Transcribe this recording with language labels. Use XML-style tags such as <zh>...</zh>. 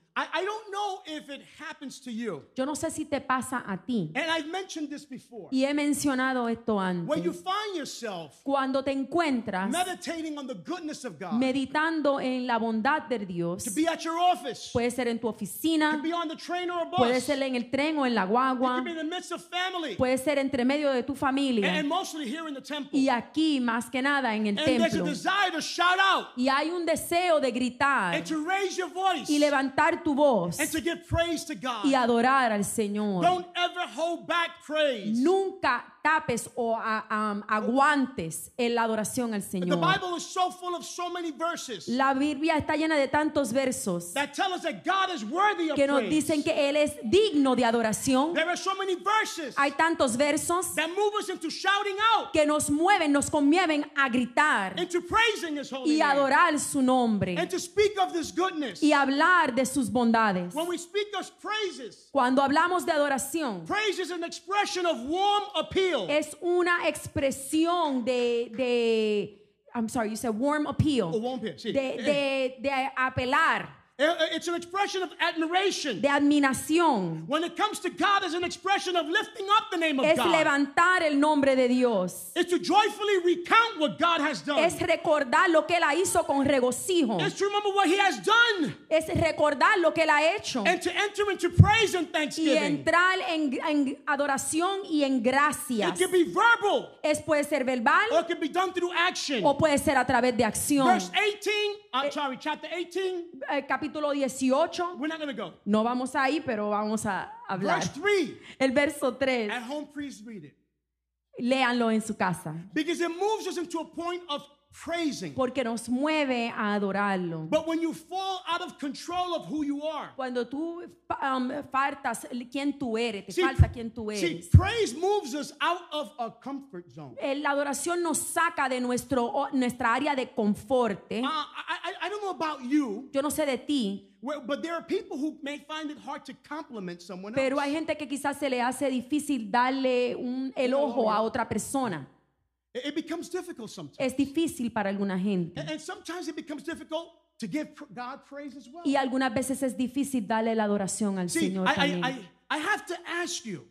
<en>I don't know if it happens to you.</en> <es>Yo no sé si te pasa a ti.</es> <en>And I've mentioned this before.</en> <es>Y he mencionado esto antes.</es> <en>When you find yourself</en> <es>cuando te encuentras</es> <en>meditating on the goodness of God,</en> <es>meditando en la bondad de Dios,</es> <en>to be at your office,</en> <es>puede ser en tu oficina,</es> <en>to be on the train or a bus,</en> <es>puede ser en el tren o en la guagua,</es> <en>to be in the midst of family,</en> <es>puede ser entre medio de tu familia,</es> <en>and mostly here in the temple,</en> <es>y aquí más que nada en el templo,</es> <en>there's a desire to shout out,</en> <es>y hay un deseo de gritar,</es> <en>and to raise your voice,</en> <es>y levantar tu voz</es> <en>and to give praise to God.</en> <es>Y adorar al Señor.</es> <en>Don't ever hold back praise.</en> <es>Nunca tapes o aguantes en la adoración al Señor.</es> <en>The Bible is so full of so many verses.</en> <es>La Biblia está llena de tantos versos</es> <en>that tell us that God is worthy of praise.</en> <es>Que nos dicen que Él es digno de adoración.</es> <en>There are so many verses.</en> <es>Hay tantos versos</es> <en>that move us into shouting out.</en> <es>Que nos mueven, nos conmueven a gritar.</es> <en>Into praising His holy</en> <es>y adorar su nombre.</es> <en>And to speak of His goodness.</en> <es>Y hablar de sus bondades.</es> <en>When we speak of praises.</en> <es>Cuando hablamos de adoración.</es> <en>Praise is an expression of warm appeal.</en> <es>Es una expresión de</es> <en>I'm sorry, you said warm appeal. Oh, warm appeal, sí.</en> <es>De apelar.</es> <en>It's an expression of admiration.</en> <es>De admiración.</es> <en>When it comes to God, it's an expression of lifting up the name of God.</en> <es>Es levantar el nombre de Dios.</es> <en>It's to joyfully recount what God has done.</en> <es>Es recordar lo que Él hizo con regocijo.</es> <en>It's to remember what He has done.</en> <es>Es recordar lo que Él ha hecho.</es> <en>And to enter into praise and thanksgiving.</en> <es>Y entrar en adoración y en gracias.</es> <en>It can be verbal.</en> <es>Es puede ser verbal.</es> <en>Or it can be done through action.</en> <es>O puede ser a través de acción.</es> <en>Verse 18. I'm sorry, chapter 18.</en> <es>Capítulo 18.</es> <en>We're not going to go.</en> <es>No vamos ahí, pero vamos a hablar.</es> <en>Verse 3.</en> <es>El verso 3.</es> <en>At home, please read it.</en> <es>Léanlo en su casa.</es> <en>Because it moves us into a point of praising.</en> <es>Porque nos mueve a adorarlo.</es> <en>But when you fall out of control of who you are.</en> <es>Cuando tú faltas quién tú eres, te falta quién tú eres.</es> <en>See, praise moves us out of a comfort zone.</en> <es>La adoración nos saca de nuestra área de confort.</es> <en>I don't know about you.</en> <es>Yo no sé de ti.</es> <en>But there are people who may find it hard to compliment someone else.</en> <es>Pero hay gente que quizás se le hace difícil darle un elogio a otra persona.</es> <en>It becomes difficult sometimes.</en> <es>Es difícil para alguna gente.</es> <en>And sometimes it becomes difficult to give God praise as well.</en> <es>Y algunas veces es difícil darle la adoración al</es> <en>See,</en> <es>Señor</es> <en>I,</en> <es>también.</es> <en>I, I, I have to ask you.</en>